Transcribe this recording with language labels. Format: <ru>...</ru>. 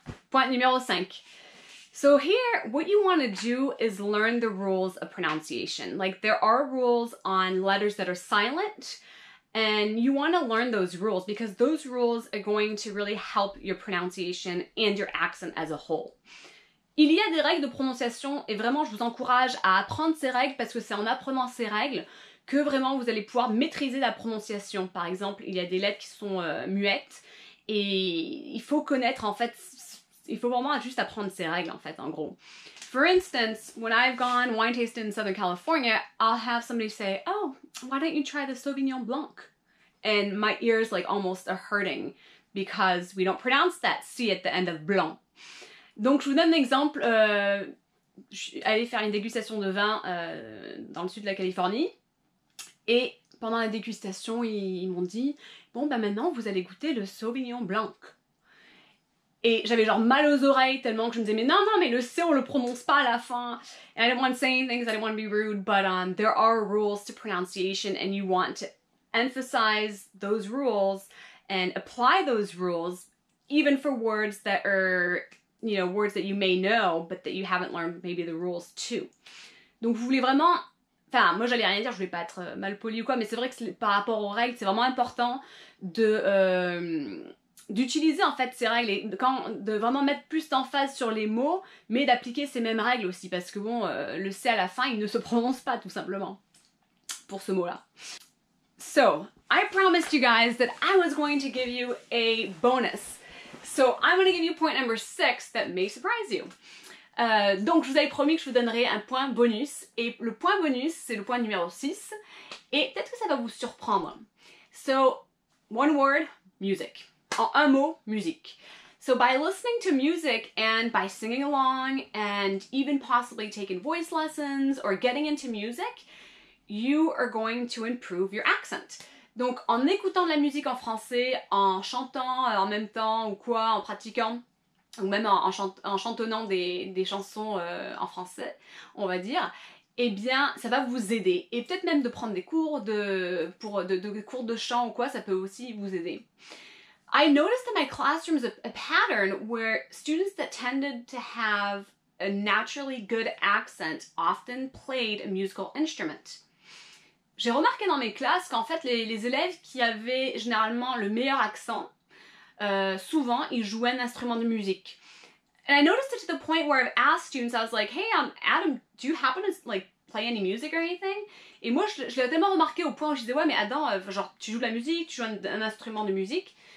<fr>Point numéro 5.</fr> <en>So here, what you want to do is learn the rules of pronunciation. Like, there are rules on letters that are silent, and you want to learn those rules because those rules are going to really help your pronunciation and your accent as a whole.</en> <fr>Il y a des règles de prononciation et vraiment je vous encourage à apprendre ces règles parce que c'est en apprenant ces règles que vraiment vous allez pouvoir maîtriser la prononciation. Par exemple, il y a des lettres qui sont muettes et il faut connaître en fait, il faut vraiment juste apprendre ces règles en fait en gros.</fr> <en>For instance, when I've gone wine tasting in Southern California, I'll have somebody say, oh, why don't you try the Sauvignon Blanc? And my ears like almost are hurting because we don't pronounce that C at the end of blanc.</en> <fr>Donc je vous donne un exemple, je suis allée faire une dégustation de vin dans le sud de la Californie et pendant la dégustation ils m'ont dit « Bon ben maintenant vous allez goûter le Sauvignon Blanc » et j'avais genre mal aux oreilles tellement que je me disais « Mais non non mais le C on le prononce pas à la fin »</fr> <en>and I didn't want to say anything because I didn't want to be rude but there are rules to pronunciation and you want to emphasize those rules and apply those rules even for words that are... you know, words that you may know, but that you haven't learned maybe the rules too.</en> <fr>Donc vous voulez vraiment... Enfin, moi j'allais rien dire, je voulais pas être mal poli ou quoi, mais c'est vrai que c'est, par rapport aux règles, c'est vraiment important de d'utiliser en fait ces règles, et quand, de vraiment mettre plus d'emphase sur les mots, mais d'appliquer ces mêmes règles aussi, parce que bon, le C à la fin, il ne se prononce pas tout simplement, pour ce mot-là.</fr> <en>So, I promised you guys that I was going to give you a bonus. So, I'm going to give you point number 6 that may surprise you.</en> <fr>Donc, je vous avais promis que je vous donnerais un point bonus. Et le point bonus, c'est le point numéro 6. Et peut-être que ça va vous surprendre.</fr> <en>So, one word, music.</en> <fr>En un mot, musique.</fr> <en>So, by listening to music and by singing along and even possibly taking voice lessons or getting into music, you are going to improve your accent.</en> <fr>Donc, en écoutant de la musique en français, en chantant en même temps ou quoi, en pratiquant, ou même en chantonnant des chansons en français, on va dire, eh bien, ça va vous aider. Et peut-être même de prendre des cours de cours de chant ou quoi, ça peut aussi vous aider.</fr> <en>I noticed in my classrooms a pattern where students that tended to have a naturally good accent often played a musical instrument.</en> <fr>J'ai remarqué dans mes classes qu'en fait, les élèves qui avaient généralement le meilleur accent, souvent, ils jouaient un instrument de musique.</fr> <en>And I noticed it to the point where I've asked students, I was like, hey, Adam, do you happen to like play any music or anything?</en> <fr>Et moi, je l'ai tellement remarqué au point où je disais, ouais, mais Adam, genre, tu joues de la musique, tu joues un instrument de musique?</fr>